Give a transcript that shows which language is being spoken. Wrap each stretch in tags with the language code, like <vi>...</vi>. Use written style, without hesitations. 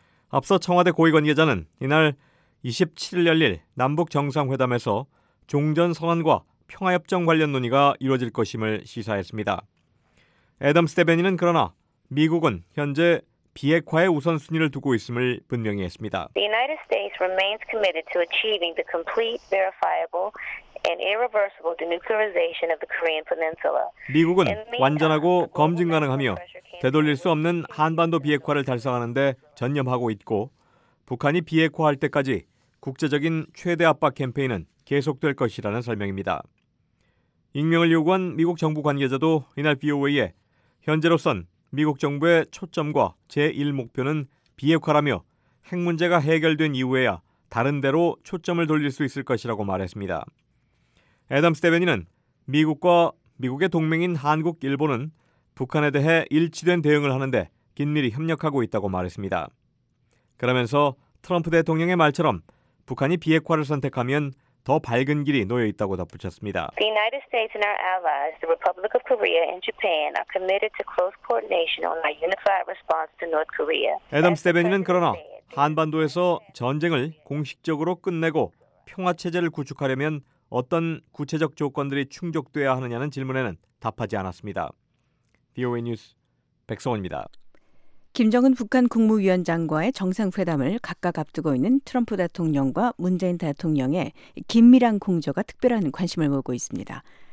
<ko>앞서 청와대 고위 관계자는 이날 27일 열릴 남북정상회담에서 종전선언과 평화협정 관련 논의가 이루어질 것임을 시사했습니다. 애덤스 대변인은 그러나 미국은 현재 비핵화의 우선순위를 두고 있음을 분명히 했습니다.</ko> <en>The United States remains committed to achieving the complete, verifiable and irreversible denuclearization of the Korean Peninsula.</en> <ko>미국은 완전하고 검증 가능하며 되돌릴 수 없는 한반도 비핵화를 달성하는 데 전념하고 있고 북한이 비핵화할 때까지 국제적인 최대 압박 캠페인은 계속될 것이라는 설명입니다. 익명을 요구한 미국 정부 관계자도 이날 BOA에 현재로선 미국 정부의 초점과 제1목표는 비핵화라며 핵 문제가 해결된 이후에야 다른 데로 초점을 돌릴 수 있을 것이라고 말했습니다. 애덤스 대변인은 미국과 미국의 동맹인 한국, 일본은 북한에 대해 일치된 대응을 하는데 긴밀히 협력하고 있다고 말했습니다. 그러면서 트럼프 대통령의 말처럼 북한이 비핵화를 선택하면 더 밝은 길이 놓여 있다고 덧붙였습니다.</ko> <en>The United States and our allies, the Republic of Korea and Japan, are committed to close coordination on a unified response to North Korea.</en> <ko>애덤스 대변인은 그러나 한반도에서 전쟁을 공식적으로 끝내고 평화 체제를 구축하려면 어떤 구체적 조건들이 충족돼야 하느냐는 질문에는 답하지 않았습니다. VOA 뉴스 백성원입니다. 김정은 북한 국무위원장과의 정상회담을 각각 앞두고 있는 트럼프 대통령과 문재인 대통령의 긴밀한 공조가 특별한 관심을 모으고 있습니다.</ko>